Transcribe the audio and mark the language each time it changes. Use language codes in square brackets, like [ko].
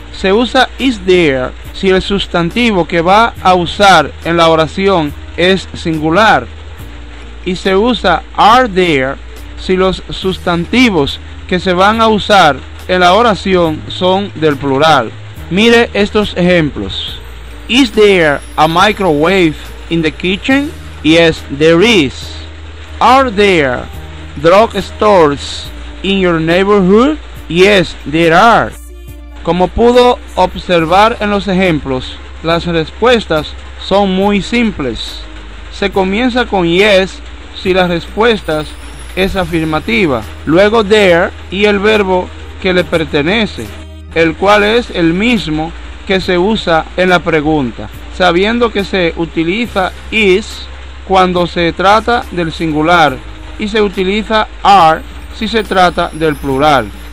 [es] Se usa is there si el sustantivo que va a usar en la oración es singular. Y se usa are there si los sustantivos que se van a usar en la oración son del plural. Mire estos ejemplos. [en] Is there a microwave in the kitchen? Yes, there is. Are there drug stores in your neighborhood? Yes, there are. [es] Como pudo observar en los ejemplos, las respuestas son muy simples. Se comienza con yes si la respuesta es afirmativa, luego there y el verbo que le pertenece, el cual es el mismo que se usa en la pregunta, sabiendo que se utiliza is cuando se trata del singular y se utiliza are si se trata del plural.